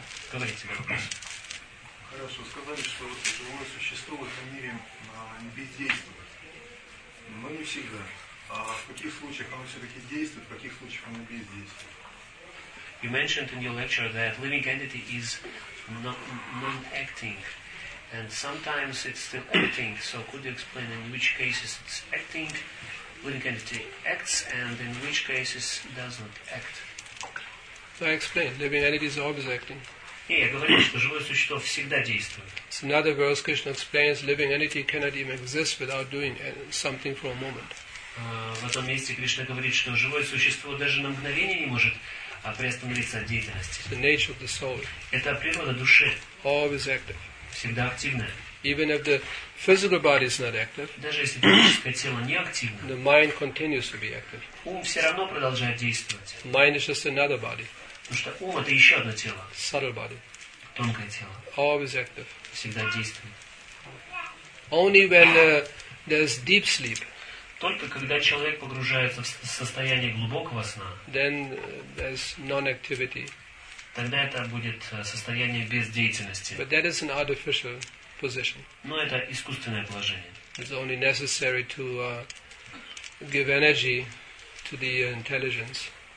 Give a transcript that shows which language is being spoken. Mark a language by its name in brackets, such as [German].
[Russian] Хорошо, сказали, что мы существуем в этом мире не бездействовать. Но не всегда. А в каких случаях оно все-таки действует, в каких случаях оно бездействует? [English] You mentioned in your lecture that living entity is non-acting. And sometimes it's still acting, so could you explain in which cases it's acting, living entity acts, and in which cases doesn't act? I explain, living entity is always acting. [Russian] Я говорил, что живое существо всегда действует. [English] So in other words, Krishna explains, living entity cannot even exist without doing something for a moment. [Russian] В этом месте Кришна говорит, что живое существо даже на мгновение не может приостановиться от деятельности. [English] The nature of the soul. [Russian] Это природа души. [English] Always active. [Russian] Всегда активное. [English] Even if the physical body is not active, [Russian] даже если физическое тело не активно, [English] the mind continues to be active. [Russian] Ум все равно продолжает действовать. [English] Mind is just another body. [Russian] Потому что ум это еще одно тело. [English] Subtle body. [Russian] Тонкое тело. [English] Always active. [Russian] Всегда действует. [English] Only when there's deep sleep. [Russian] Только когда человек погружается в состояние глубокого сна, [English] then there's non-activity. [Russian] Тогда это будет состояние бездеятельности. [English] But that is an artificial position. [Russian] Но это искусственное положение. [English] It's only necessary to give energy to the intelligence.